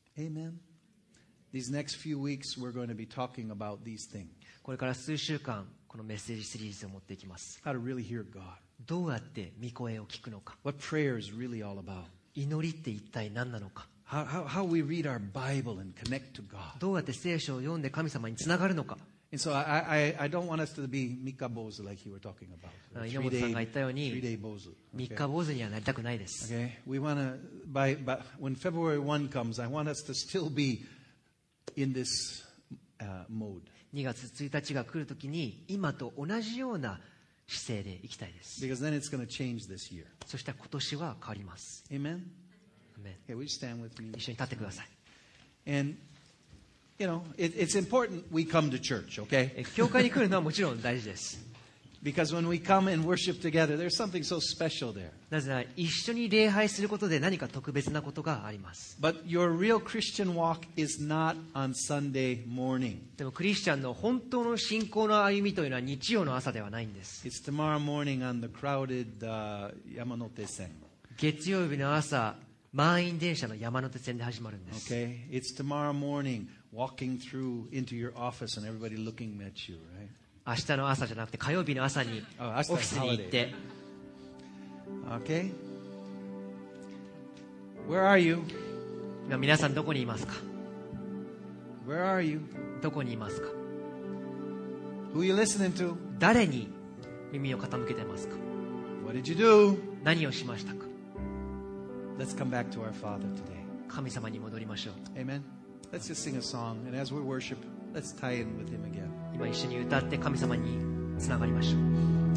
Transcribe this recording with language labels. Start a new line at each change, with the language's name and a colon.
English: Amen. These next few weeks we're going to be talking about these things.
Japanese: これから数週間このメッセージシリーズを持っていきます。
English: How to really hear God.
Japanese: どうやって御声を聞くのか。
English: What prayer is really all about.
Japanese: 祈りって一体何なのか。
English: How we read our Bible and connect to God.
Japanese: どうやって聖書を読んで神様につながるのか。
English: And so I don't want us to be Mika Bozu like you were talking about.
Japanese: 井上さんが言ったように、
English: three day Bozu.
Japanese: Mika Bozu にはなりたくないです。
English: Okay. We want to by when February 1 comes, I want us to still be in this mode.
Japanese: 2月1日が来るときに今と同じような姿勢で行きたいです。
English: Because then it's going to change this year.
Japanese: そしたら今年は変わります。
English: Amen. Okay, will you stand with me?
Japanese: 一緒に立ってください。
English: And you know, it's important we come to church, okay?
Japanese: 教会に来るのはもちろん大事です。
English: Because when we come and worship together, there's something so special there.
Japanese: なぜなら一緒に礼拝することで何か特別なことがあります。
English: But your real Christian walk is not on Sunday morning.
Japanese: でもクリスチャンの本当の信仰の歩みというのは日曜の朝ではないんです。
English: It's tomorrow morning on the crowded 山手線。
Japanese: 月曜日の朝。満員電車の山手線で始まるんです。
English: Okay. It's tomorrow morning, walking through into your office and everybody looking at you, right?
Japanese: 明日の朝じゃなくて火曜日の朝にオフィスに行って。
English: Okay. Where are you?
Japanese: 皆さんどこにいますか?
English: Where are you?
Japanese: どこにいますか?
English: Who are you listening to?
Japanese: 誰に耳を傾けてますか?
English: What did you do?
Japanese: 何をしましたか?
English: Let's come back to our Father today.
Japanese: 神様に戻りましょう。
English: Amen. Let's just sing a song, and as we worship, let's tie in with Him again.
Japanese: 今一緒に歌って神様につながりましょう。